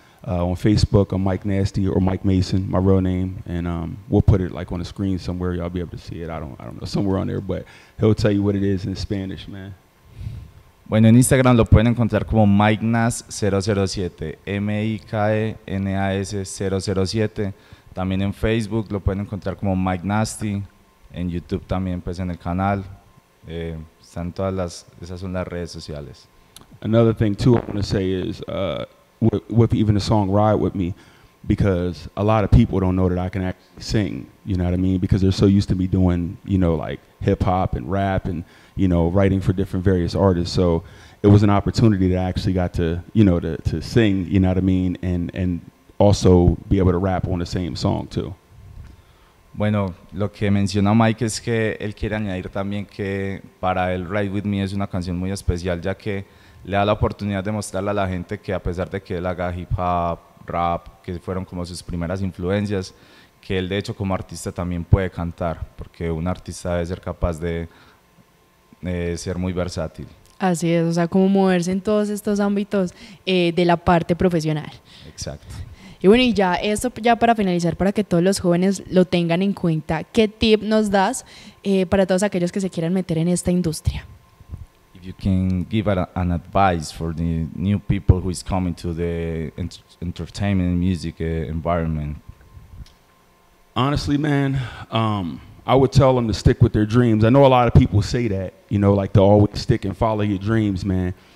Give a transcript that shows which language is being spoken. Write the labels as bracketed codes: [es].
[en] On Facebook, I'm Mike Nasty or Mike Mason, my real name, and we'll put it like on the screen somewhere. Y'all be able to see it. I don't know, somewhere on there, but he'll tell you what it is in Spanish, man. [es] Bueno, en Instagram lo pueden encontrar como MikeNas007, MikeNas007. También en Facebook lo pueden encontrar como Mike Nasty. En YouTube también, pues, en el canal. Están todas las, esas son las redes sociales. [en] Another thing too, I want to say is, with even the song Ride With Me, because a lot of people don't know that I can actually sing, you know what I mean? Because they're so used to me doing, you know, like hip hop and rap and, you know, writing for different various artists. So it was an opportunity that I actually got to, you know, to sing, you know what I mean? And also be able to rap on the same song too. [es] Bueno, lo que menciona Mike es que él quiere añadir también que para él Ride With Me es una canción muy especial, ya que le da la oportunidad de mostrarle a la gente que a pesar de que él haga hip hop, rap, que fueron como sus primeras influencias, que él de hecho como artista también puede cantar, porque un artista debe ser capaz de ser muy versátil. Así es, o sea, como moverse en todos estos ámbitos de la parte profesional. Exacto. Y bueno, y ya eso, ya para finalizar, para que todos los jóvenes lo tengan en cuenta, ¿qué tip nos das para todos aquellos que se quieran meter en esta industria? [en] If you can give an advice for the new people who is coming to the entertainment and music environment. Honestly, man, I would tell them to stick with their dreams. I know a lot of people say that, you know, like to always stick and follow your dreams, man.